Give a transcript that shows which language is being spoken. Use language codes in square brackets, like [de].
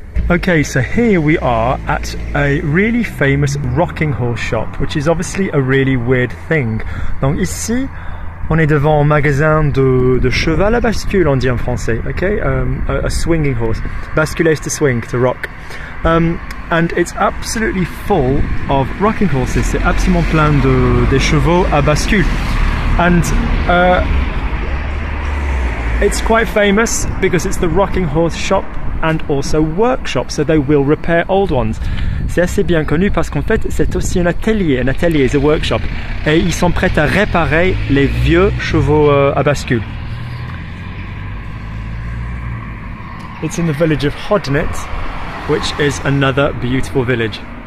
[en] Okay, so here we are at a really famous rocking horse shop, which is obviously a really weird thing. [fr] Donc ici, on est devant un magasin de cheval à bascule, on dit en français, okay? [en] A swinging horse. Bascule is to swing, to rock. And it's absolutely full of rocking horses. [fr] C'est absolument plein de chevaux à bascule. [en] And it's quite famous because it's the rocking horse shop and also workshop, so they will repair old ones. [fr] C'est assez bien connu parce qu'en fait c'est aussi un atelier. [en] An atelier is a workshop. [fr] Et ils sont prêts à réparer les vieux chevaux à bascule. [en] It's in the village of Hodnet, which is another beautiful village.